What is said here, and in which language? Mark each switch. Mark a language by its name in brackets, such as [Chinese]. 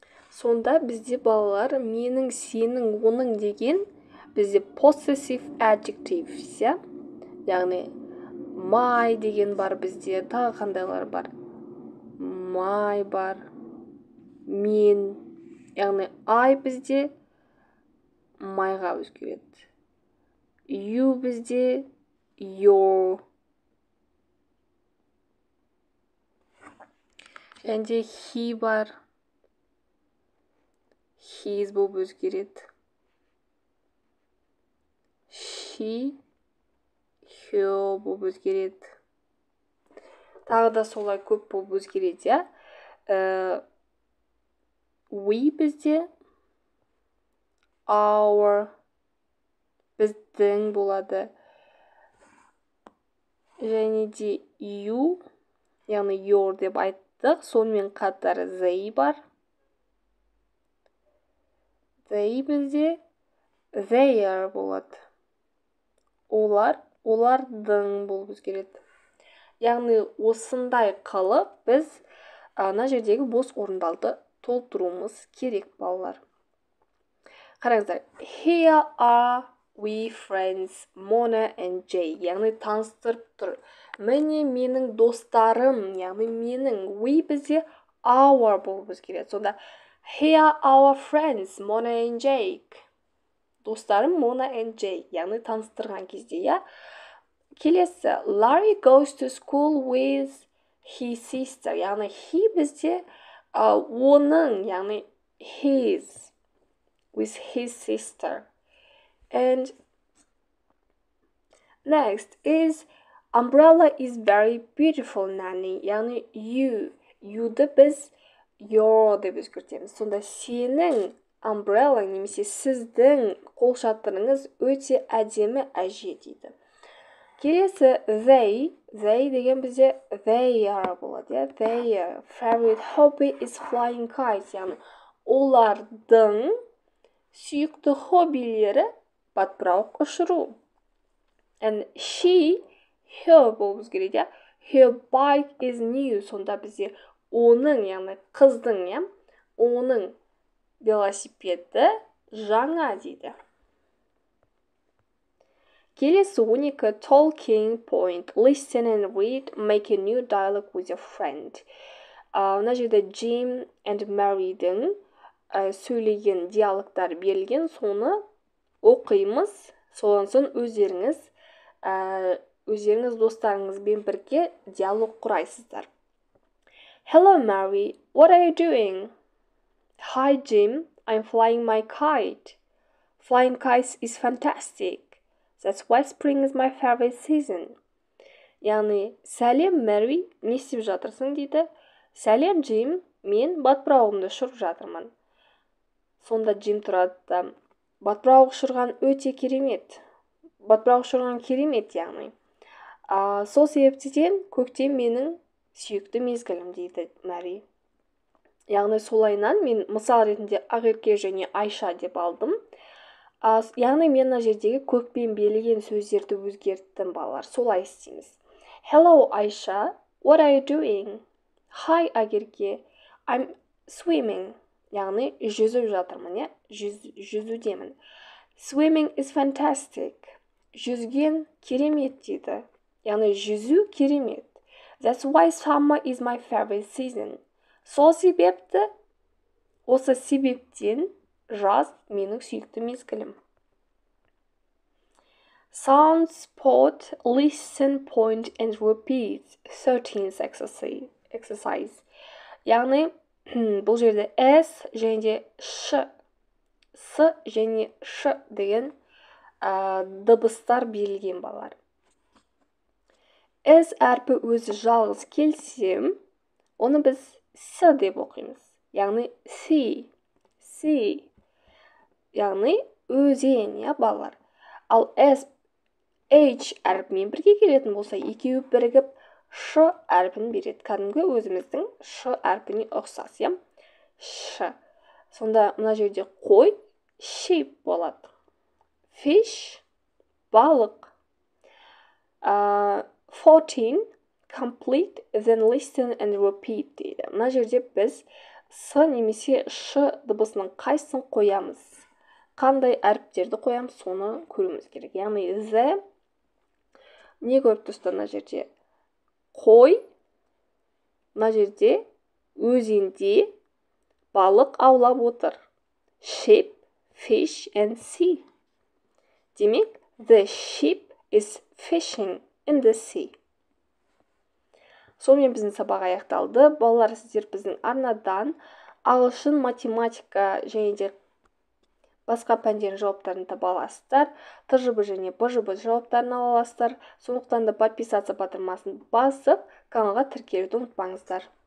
[Kazakh] Сонда бізде балалар, менің, сенің, оның деген, бізде possessive adjectives, я? Яғни, my деген бар бізде, тағы қандайлар бар. My бар, мен, яғни, I бізде, майға өзгереді. [English] You бізде, your. [Kazakh] Әнде he бар, his болып өзгереді. She, her болып өзгереді. Тағы да солай көп болып өзгереді, я? We бізде, our біздің болады. Және де you, яғни your деп айттық. Сонымен қатар they бар. They бізде their болады. Олар, олардың болып өзгереді. Яғни осындай қалып біз ана жердегі бос орындалды толтыруымыз керек, балалар. Қараңыздар, [English] here are we friends, Mona and Jay. [Kazakh] Яғни таныстырып тұр. Міне менің достарым, яғни менің, we бізде our болып өзгереді. Сонда, [English] here are our friends, Mona and Jay. [Kazakh] Достарым Mona and Jay, яғни таныстырған кезде, я? Келесі, [English] Larry goes to school with his sister. [Kazakh] Яғни, he бізде оның, яғни, his. [English] With his sister. And next is umbrella is very beautiful, Nani. [Kazakh] Яғни you. You-ды біз your деп өзгертеміз. Сонда сенің umbrella, немесе сіздің қолшатырыңыз өте әдемі, әже дейді. Келесі they. They деген бізде they are болады. [English] Yeah? They are. Favorite hobby is flying kites. [Kazakh] Яғни олардың сүйікті хоббилері батпырауық ұшыру. [English] And she, her [Kazakh] болып өзгереді. [English] Her bike is new. [Kazakh] Сонда бізде оның, яғни қыздың, я, оның велосипеді жаңа дейді. Келесі [English] 12 talking point. Listen and read. Make a new dialogue with your friend. [Kazakh] Мына жерде Jim and Mary-дің сөйлеген диалогтар берілген, соны оқимыз. Содан соң өздеріңіз, өздеріңіз достарыңызбен бірге диалог құрайсыздар. [English] Hello, Mary. What are you doing? Hi, Jim. I'm flying my kite. Flying kites is fantastic. That's why spring is my favorite season. [Kazakh] Яғни, сәлем, Mary. Не істеп жатырсың, дейді. Сәлем, Jim. Мен батпырауымды ұшырып жатырмын. Сонда Джим тұрады да, батпырауық ұшырған өте керемет. Батпырауық ұшырған керемет, яғни. Сол себептен көктем менің сүйікті мезгілім, дейді Мәри. Яғни солайынан мен мысал ретінде Ақерке және Айша деп алдым. Яғни мен на жердегі көкпен белген сөздерді өзгерттім, балалар. Солай істейміз. [English] Hello, Айша. What are you doing? Hi, Ақерке. I'm swimming. [Kazakh] Яғни, жүзіп жатырмын, я? Жүзудемін. [English] Swimming is fantastic. [Kazakh] Жүзген керемет, дейді. Яғни, жүзу керемет. [English] That's why summer is my favorite season. [Kazakh] Сол себепті, осы себептен жаз менің сүйікті мезгілім. [English] Sound, spot, listen, point and repeat. 13th exercise. [Kazakh] Яғни, бұл жерде S және де Ш, С және Ш деген дыбыстар берілген, балалар. S әрпі өзі жалғыз келсем, оны біз С деп оқимыз. Яғни С, С, яғни өзен, я, балалар. Ал S, H әрпімен бірге келетін болса, екеуі бірігіп Ш әрпін береді. Кәдімгі өзіміздің Ш әрпіне ұқсас, ем? Ш. Сонда мына жерде қой шейп болады. Fish балық. [English] 14 complete then listen and repeat [Kazakh] дейді. Мына жерде біз С немесе Ш дыбысының қайсын қоямыз? Қандай әріптерді қоямыз, соны көріміз керек. Яғни, З. Не көріп тұрсыз мына жерде? Қой. Мына жерде өзенде балық аулап отыр. [English] Ship, fish and sea. [Kazakh] Демек, [English] the ship is fishing in the sea. [Kazakh] Сонымен біздің сабақ аяқталды. Балалар, сіздер біздің арнадан ағылшын, математика және де басқа пәндерін жауаптарын таба аласыздар. ТЖБ және БЖБ жауаптарын ала аласыздар. Сондықтан да [Russian] подписаться [Kazakh] батырмасын басып, каналға тіркелуді ұмытпаңыздар.